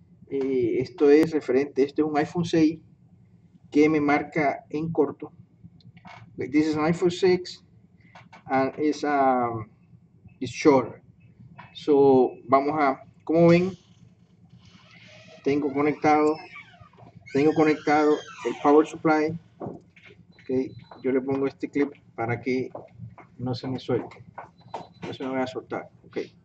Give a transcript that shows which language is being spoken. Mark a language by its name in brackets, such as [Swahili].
[Spanish] Esto es referente, este es un iPhone 6 que me marca en corto. [English] Like, this is an iPhone 6 and it's short. [Spanish] So, vamos a, como ven, tengo conectado el power supply. Ok, yo le pongo este clip para que no se me suelte, no se me vaya a soltar. Ok.